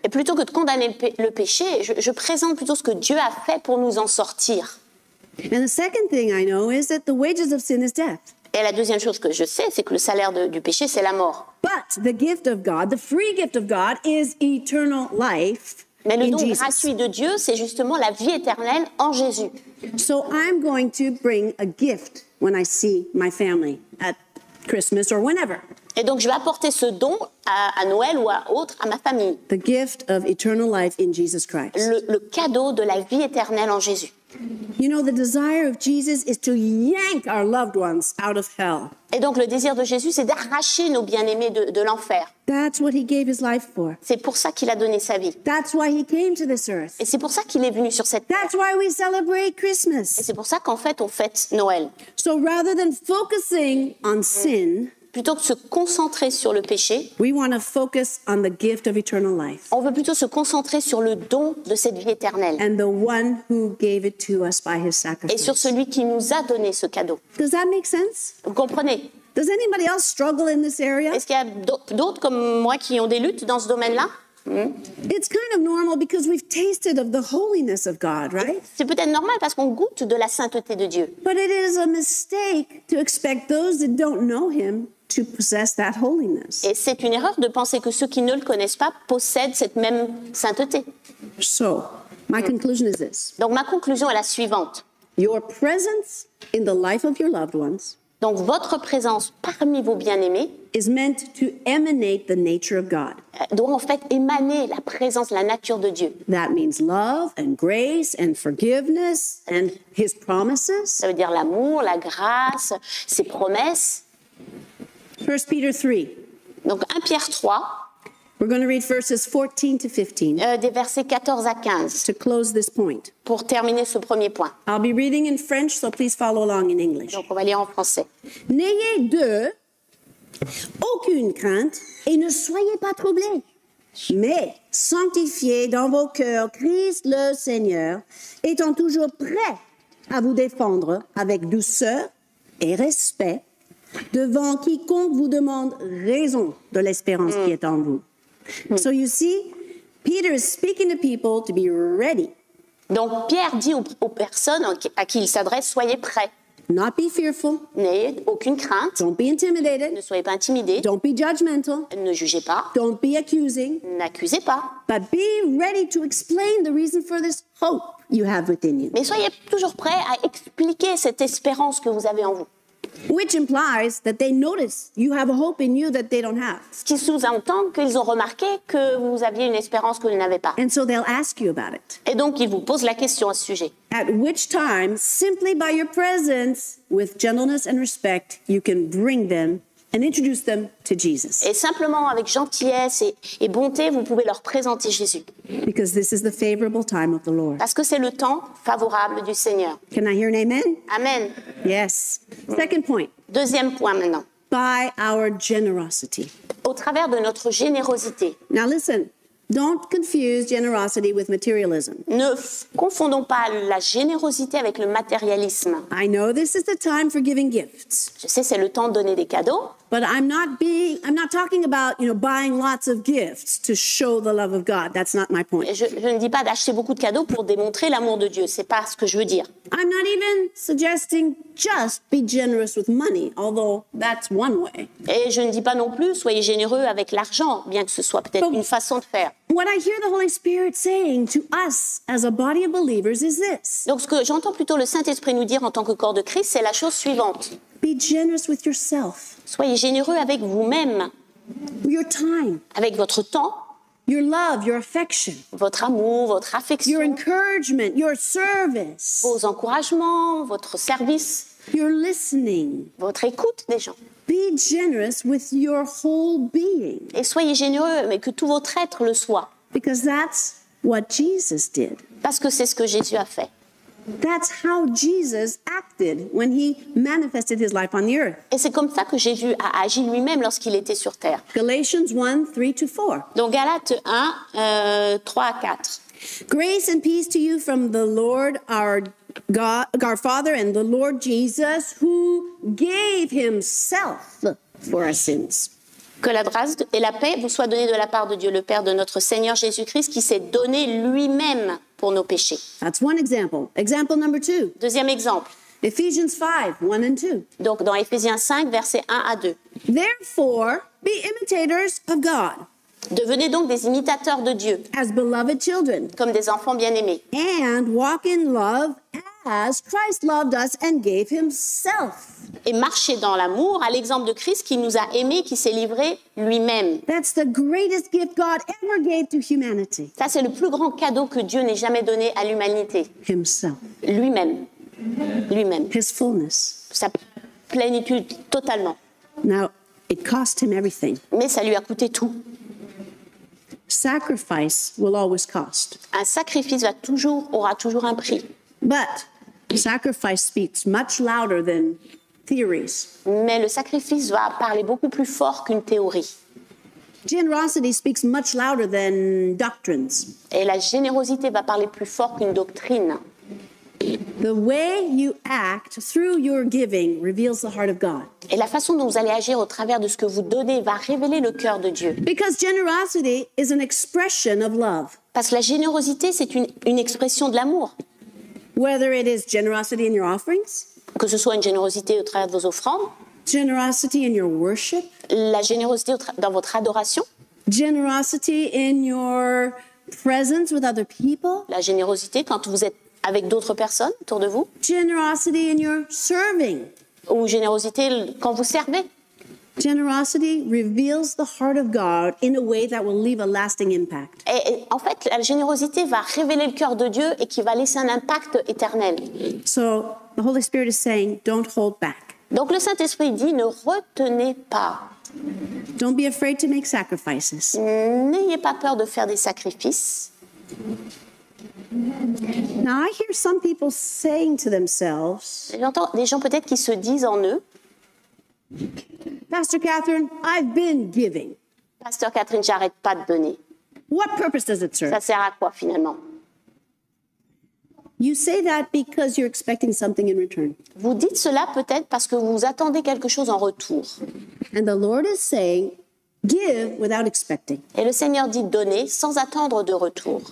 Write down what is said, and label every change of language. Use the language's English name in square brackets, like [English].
[French] Et plutôt que de condamner le péché, je présente plutôt ce que Dieu a fait pour nous en sortir. [English] And the second thing I know is that the wages of sin is death. [French] Et la deuxième chose que je sais, c'est que le salaire du péché, c'est la mort. [English] But the gift of God, the free gift of God, is eternal life. [French] Mais le don [English] Jesus. [French] Gratuit de Dieu, c'est justement la vie éternelle en Jésus. [English] So I'm going to bring a gift when I see my family at Christmas or whenever. [French] Et donc je vais apporter ce don à Noël ou à autre à ma famille. [English] The gift of eternal life in Jesus Christ. [French] Le cadeau de la vie éternelle en Jésus. [English] You know, the desire of Jesus is to yank our loved ones out of hell. [French] Et donc le désir de Jésus, c'est d'arracher nos bien-aimés de l'enfer. [English] That's what he gave his life for. [French] C'est pour ça qu'il a donné sa vie. [English] That's why he came to this earth. [French] Et c'est pour ça qu'il est venu sur cette terre. [English] That's why we celebrate Christmas. [French] Et c'est pour ça qu'en fait, on fête Noël. [English] So rather than focusing on sin, [French] plutôt que de se concentrer sur le péché, [English] we want to focus on the gift of eternal life. [French] On veut plutôt se concentrer sur le don de cette vie éternelle. [English] And the one who gave it to us by his sacrifice. [French] Et sur celui qui nous a donné ce cadeau. [English] Does that make sense? [French] Vous comprenez? [English] Does anybody else struggle in this area? [French] Est-ce qu'il y a d'autres comme moi qui ont des luttes dans ce domaine-là? [English] It's kind of normal because we've tasted of the holiness of God, right? [French] C'est peut-être normal parce qu'on goûte de la sainteté de Dieu. [English] But it is a mistake to expect those that don't know him to possess that holiness. [French] Et c'est une erreur de penser que ceux qui ne le connaissent pas possèdent cette même sainteté. [English] So, my conclusion is this. [French] Donc ma conclusion est la suivante. [English] Your presence in the life of your loved ones. [French] Donc votre présence parmi vos bien-aimés [English] is meant to emanate the nature of God. [French] Doit en fait émaner la présence, la nature de Dieu. [English] That means love and grace and forgiveness and his promises. [French] Ça veut dire l'amour, la grâce, ses promesses. [English] 1 Peter 3. [French] Donc 1 Pierre 3. [English] We're going to read verses 14 to 15. [French] Des versets 14 à 15. [English] To close this point. [French] Pour terminer ce premier point. [English] I'll be reading in French, so please follow along in English. [French] Donc on va lire en français. N'ayez de aucune crainte et ne soyez pas troublés. Mais sanctifiez dans vos cœurs Christ le Seigneur, étant toujours prêt à vous défendre avec douceur et respect devant quiconque vous demande raison de l'espérance qui est en vous. [English] So you see, Peter is speaking to people to be ready. [French] Donc Pierre dit aux personnes à qui il s'adresse, soyez prêts. [English] Not be fearful. [French] N'ayez aucune crainte. [English] Don't be intimidated. [French] Ne soyez pas intimidés. [English] Don't be judgmental. [French] Ne jugez pas. [English] Don't be accusing. [French] N'accusez pas. [English] But be ready to explain the reason for this hope you have within you. [French] Mais soyez toujours prêts à expliquer cette espérance que vous avez en vous. [English] Which implies that they notice you have a hope in you that they don't have. [French] Ce qui sous-entend qu'ils ont remarqué que vous aviez une espérance que vous n'avez pas. [English] And so they'll ask you about it. [French] Et donc ils vous posent la question à ce sujet. [English] At which time, simply by your presence, with gentleness and respect, you can bring them and introduce them to Jesus. [French] Et simplement avec gentillesse et bonté, vous pouvez leur présenter Jésus. [English] Because this is the favorable time of the Lord. [French] Parce que c'est le temps favorable du Seigneur. [English] Can I hear an amen? [French] Amen. [English] Yes. Second point. [French] Deuxième point maintenant. [English] By our generosity. [French] Au travers de notre générosité. [English] Now listen. Don't confuse generosity with materialism. [French] Ne confondons pas la générosité avec le matérialisme. [English] I know this is the time for giving gifts. [French] Je sais, c'est le temps de donner des cadeaux. [English] But I'm not talking about, you know, buying lots of gifts to show the love of God. That's not my point. [French] Je ne dis pas d'acheter beaucoup de cadeaux pour démontrer l'amour de Dieu. C'est pas ce que je veux dire. [English] I'm not even suggesting just be generous with money, although that's one way. [French] Et je ne dis pas non plus soyez généreux avec l'argent, bien que ce soit peut-être [English] but [French] une façon de faire. [English] What I hear the Holy Spirit saying to us as a body of believers is this. [French] Donc ce que j'entends plutôt le Saint-Esprit nous dire en tant que corps de Christ, c'est la chose suivante. [English] Be generous with yourself. [French] Soyez généreux avec vous-même. [English] Your time. [French] Avec votre temps. [English] Your love, your affection. [French] Votre amour, votre affection. [English] Your encouragement, your service. [French] Vos encouragements, votre service. [English] Your listening. [French] Votre écoute des gens. [English] Be generous with your whole being. [French] Et soyez généreux, mais que tout votre être le soit. [English] Because that's what Jesus did. [French] Parce que c'est ce que Jésus a fait. [English] That's how Jesus acted when he manifested his life on the earth. [French] Et c'est comme ça que Jésus a agi lui-même lorsqu'il était sur terre. [English] Galatians 1, 3 to 4. [French] Donc Galates 1, 3 à 4. [English] Grace and peace to you from the Lord our God, our Father, and the Lord Jesus, who gave himself for our sins. [French] Que la grâce et la paix vous soient données de la part de Dieu le Père, de notre Seigneur Jésus-Christ, qui s'est donné lui-même pour nos péchés. [English] That's one example. Example number two. [French] Deuxième exemple. [English] Ephesians 5, 1 and 2. [French] Donc dans Ephésiens 5, versets 1 à 2. [English] Therefore, be imitators of God. [French] Devenez donc des imitateurs de Dieu. [English] As beloved children. [French] Comme des enfants bien-aimés. [English] And walk in love as Christ loved us and gave himself. [French] Et marchez dans l'amour à l'exemple de Christ qui nous a aimés, qui s'est livré lui-même. [English] That's the greatest gift God ever gave to humanity. [French] Ça, c'est le plus grand cadeau que Dieu n'ait jamais donné à l'humanité. [English] Himself. [French] Lui-même. Lui-même. [English] His fullness. [French] Sa plénitude, totalement. [English] Now, it cost him everything. [French] Mais ça lui a coûté tout. [English] Sacrifice will always cost. [French] Un sacrifice aura toujours un prix. [English] But sacrifice speaks much louder than theories. [French] Mais le sacrifice va parler beaucoup plus fort qu'une théorie. [English] Generosity speaks much louder than doctrines. [French] Et la générosité va parler plus fort qu'une doctrine. [English] The way you act through your giving reveals the heart of God. [French] Et la façon dont vous allez agir au travers de ce que vous donnez va révéler le cœur de Dieu. [English] Because generosity is an expression of love. [French] Parce que la générosité, c'est une expression de l'amour. [English] Whether it is generosity in your offerings, [French] que ce soit une générosité au travers de vos offrandes, [English] generosity in your worship, [French] la générosité dans votre adoration, [English] generosity in your presence with other people, [French] la générosité quand vous êtes avec d'autres personnes autour de vous, [English] generosity in your serving, [French] ou générosité quand vous servez. [English] Generosity reveals the heart of God in a way that will leave a lasting impact. [French] Et en fait, la générosité va révéler le cœur de Dieu et qui va laisser un impact éternel. [English] So, the Holy Spirit is saying, don't hold back. [French] Donc le Saint-Esprit dit, ne retenez pas. [English] Don't be afraid to make sacrifices. [French] N'ayez pas peur de faire des sacrifices. [English] Now, I hear some people saying to themselves, [French] j'entends des gens peut-être qui se disent en eux, [English] Pastor Catherine, I've been giving. [French] Pastor Catherine, j'arrête pas de donner. [English] What purpose does it serve? [French] Ça sert à quoi finalement? [English] You say that because you're expecting something in return. [French] Vous dites cela peut-être parce que vous attendez quelque chose en retour. [English] And the Lord is saying, Give without expecting. [French] Et le Seigneur dit donner sans attendre de retour.